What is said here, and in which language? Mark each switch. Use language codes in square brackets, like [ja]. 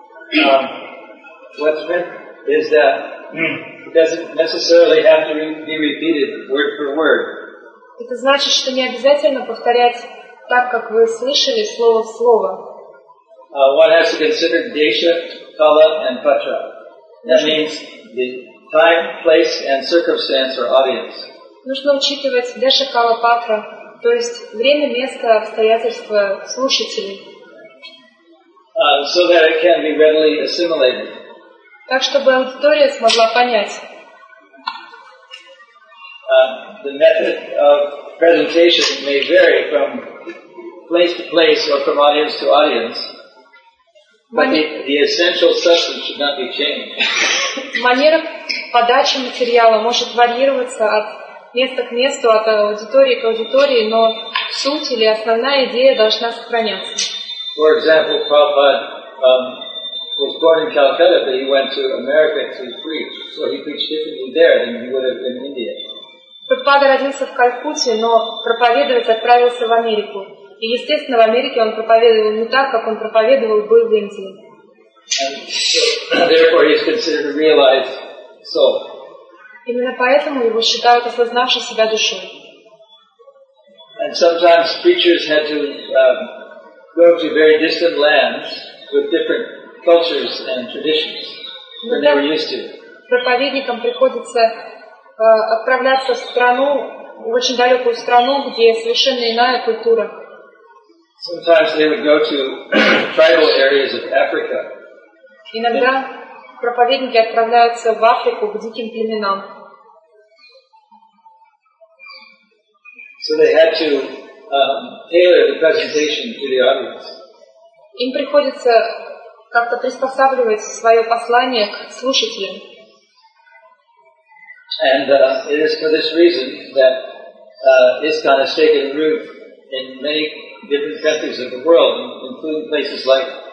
[en] What's meant is that it doesn't necessarily have to be repeated word for word. [ru] Это значит, что не обязательно повторять так, как вы слышали, слово в слово. [en] One has to consider desha, kala, and patra. That means the time, place, and circumstance or audience. [ru] Нужно учитывать desha, kala, patra, то есть время, место, обстоятельства, слушателей. [en] So that it can be readily assimilated. [ru] Так, чтобы аудитория смогла понять. [en] The method of presentation may vary from place to place or from audience to audience, but the essential substance should not be changed. [ru] Манера подачи материала может варьироваться от места к месту, от аудитории к аудитории, но суть или основная идея должна сохраняться. [en] For example, Prabhupada was born in Calcutta, but he went to America to preach. So he preached differently there than he would have in India. [ru] Prabhupada родился в Калькутте, но проповедовать отправился в Америку. И естественно, в Америке он проповедовал не так, как он проповедовал бы в Индии. [en] And therefore, he is considered a realized soul. [ru] Именно поэтому его считают осознавшей себя душой. [en] And sometimes preachers had to go to very distant lands with different cultures and traditions than they were used to. [ru] Проповедникам приходится отправляться в страну, в очень далекую страну, где совершенно иная культура. [en] Sometimes they would go to tribal areas of Africa. [ru] Иногда проповедники отправляются в Африку к диким племенам. [en] So they had to tailor the presentation to the audience. [ru] Им приходится как-то приспосабливать свое послание к слушателям. [en] And it is for this reason that ISKCON has taken root in many different countries of the world, including places like